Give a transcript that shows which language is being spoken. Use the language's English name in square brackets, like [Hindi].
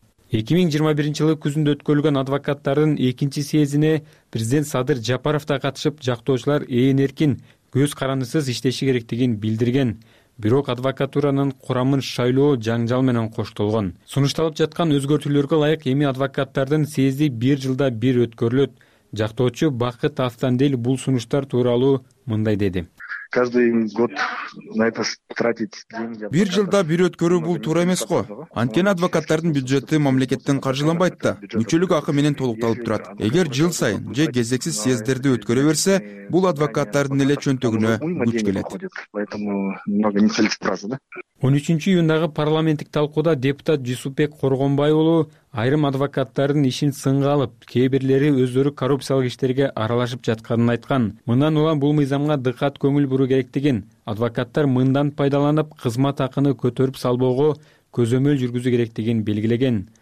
[Kyrgyz] 2021 жылы күзүндө өткөрүлгөн адвокаттардын экинчи съездине президент Садыр Жапаров да катышып, жактоочулар ээн эркин көз карандысыз иштеши керектигин билдирген. Бирок адвокатуранын курамын шайлоо жаңжал менен коштолгон. Сунушталып жаткан өзгөртүүлөргө ылайык эми адвокаттардын съезди бир жылда бир өткөрүлөт. Жактоочу Бакыт Астандел бул сунуштар тууралуу мындай деди. [Russian] Каждый год на это тратить деньги. [Kyrgyz] Бир жылда бир өткөрүү бул туура эмес го. Анткени адвокаттардын бюджети мамлекеттен каржыланбайт да, мүчөлүк акы менен толукталып турат. Эгер жыл сайын же кезексиз съезддерди өткөрө берсе, бул адвокаттардын эле чөнтөгүнө күч келет. [Russian] Поэтому много нецелесообразно, да? [Kyrgyz] 13 июндагы парламенттик талкууда депутат Жусупбек Коргонбай уулу айрым адвокаттардын ишин сынга алып, кээ бирлери өздөрү коррупциялык иштерге аралашып жатканын айткан. Мындан улам бул мыйзамга дыкат көңүл буруу керектигин, адвокаттар мындан пайдаланып, кызмат акыны көтөрүп салбоого көзөмөл жүргүзүү керектигин белгилеген.